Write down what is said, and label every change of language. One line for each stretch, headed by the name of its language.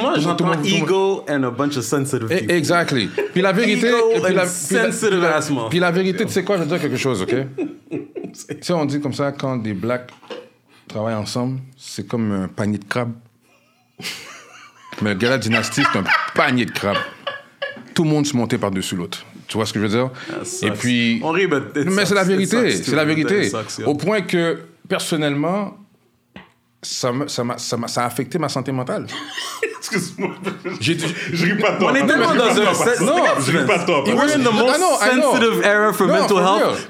English: J'entends ego and a bunch of sensitive people. Exactly.
French: Puis la vérité... puis la vérité, tu sais quoi? Je veux dire quelque chose, OK? Tu sais, on dit comme ça, quand des blacks travaillent ensemble, c'est comme un panier de crabes. Mais le Gala Dynastie, c'est un panier de crabes. Tout le monde se montait par-dessus l'autre. Tu vois ce que je veux dire? Et puis... Mais c'est la vérité. C'est la vérité. Au point que, personnellement, ça a affecté ma santé mentale. Excuse-moi. Je ris pas de toi. On est tellement dans un... Non, je ris pas de toi.
English: We're in the most sensitive era for mental health.